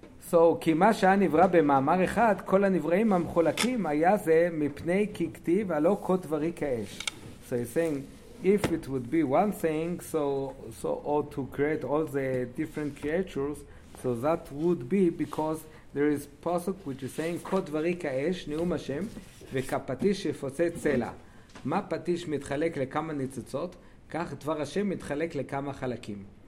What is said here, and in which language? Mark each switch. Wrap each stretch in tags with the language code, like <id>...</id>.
<he>So, כי מה שהיה נברא במאמר אחד, כל הנבראים המחולקים היה זה מפני ככתיב, הלא כל דברי כאש.</he> <en>So he's saying, if it would be one thing, so all to create all the different creatures, so that would be because there is pasuk which is saying,</en> <he>כל דברי כאש, נאום השם, וכפטיש שפוצה צלע. מה פטיש מתחלק לכמה ניצוצות? כך דבר השם מתחלק לכמה חלקים.</he>